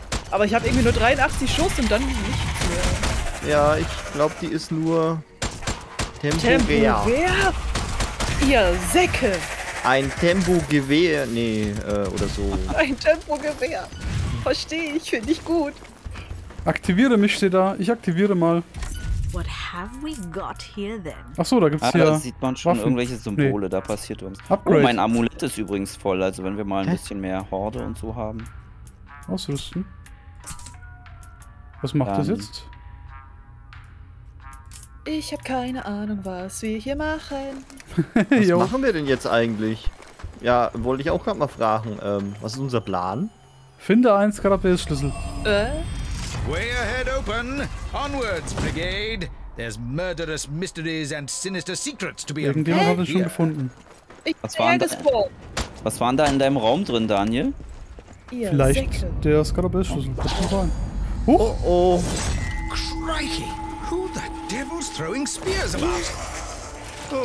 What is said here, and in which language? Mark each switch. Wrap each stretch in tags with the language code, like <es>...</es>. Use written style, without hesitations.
<de>Aber ich habe irgendwie nur 83 Schuss und dann nichts mehr. Ja, ich glaube, die ist nur temporär. Temporär? Ihr Säcke. Ein Tempogewehr. Nee, oder so. Ein Tempogewehr. Verstehe ich, finde ich gut. Aktiviere mich, steht da. Ich aktiviere mal.</de> <en>What have we got here then?</en> <de>Ach so, da gibt's hier. Da sieht man schon irgendwelche Symbole, da passiert uns. Upgrade. Oh, mein Amulett ist übrigens voll, also wenn wir mal ein bisschen mehr Horde und so haben. Ausrüsten. Was macht das jetzt? Ich habe keine Ahnung, was wir hier machen. Was machen wir denn jetzt eigentlich? Ja, wollte ich auch gerade mal fragen. Was ist unser Plan? Finde einen Skarabäus-Schlüssel.</de> <en>Way ahead open. Onwards, Brigade. There's murderous mysteries and sinister secrets to be unveiled.</en> <de>Irgendjemand hat es schon gefunden. Was waren da in deinem Raum drin, Daniel? Vielleicht der Skarabäus-Schlüssel. Das kann sein. Oh, oh.</de> <en>Crikey. Who the devil's throwing spears about?</en>